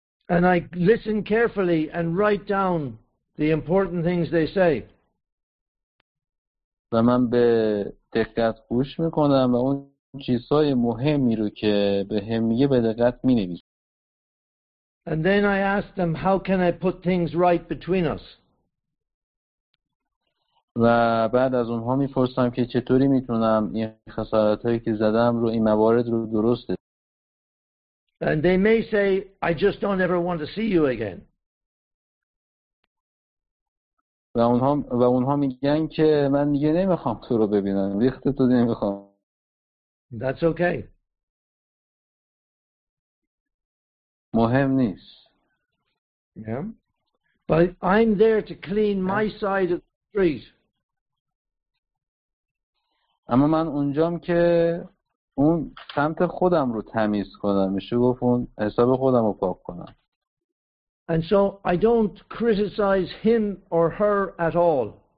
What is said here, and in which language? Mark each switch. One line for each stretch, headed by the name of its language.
English: And I listen carefully and write down the important things they say.
Persian: و من به دقت گوش میکنم و اون چیزهای مهمی رو که به هم میگه به دقت مینویسم.
English: And then I ask them, how can I put things right between us?
Persian: و بعد از اونها میپرسم که چطوری میتونم این خسارت هایی که زدم رو، این موارد رو درست.
English: And they may say, I just don't ever want to see you again.
Persian: و اونها میگن که من دیگه نمیخوام تو رو ببینم، ریخت تو دیگه نمیخوام.
English: That's okay.
Persian: مهم نیست.
English: Yeah. But I'm there to clean my side of the street.
Persian: اما من اونجام که اون سمت خودم رو تمیز کنم، میشه گفت اون حساب خودم رو پاک کنم.
English: And so I don't criticize him or her at all.